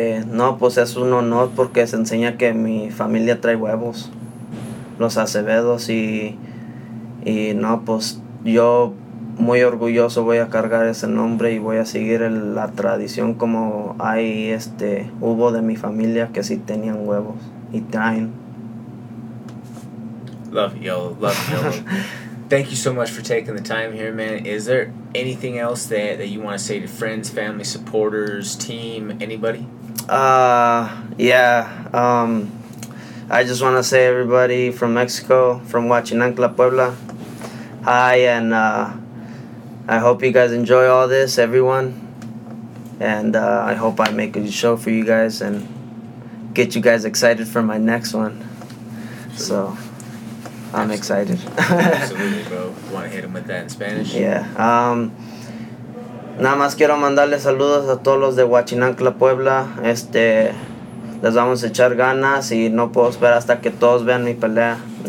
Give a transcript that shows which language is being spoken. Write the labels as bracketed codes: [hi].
[es] no, pues es un honor porque se enseña que mi familia trae huevos, los Acevedos, y no, pues yo muy orgulloso voy a cargar ese nombre y voy a seguir la tradición como hay, hubo de mi familia que sí tenían huevos y traen. [en] Love you, yo. Thank you so much for taking the time here, man. Is there anything else that you want to say to friends, family, supporters, team, anybody? I just want to say, everybody from Mexico, from Huachinancla, Puebla, hi, and I hope you guys enjoy all this, everyone. And I hope I make a show for you guys and get you guys excited for my next one. Sure. So... I'm excited. Absolutely, bro. Want to hit him with that in Spanish? Yeah. [es] Nada más quiero mandarle saludos a todos los de Huachinancla, Puebla. Les vamos a echar ganas y no puedo esperar hasta que todos vean mi pelea.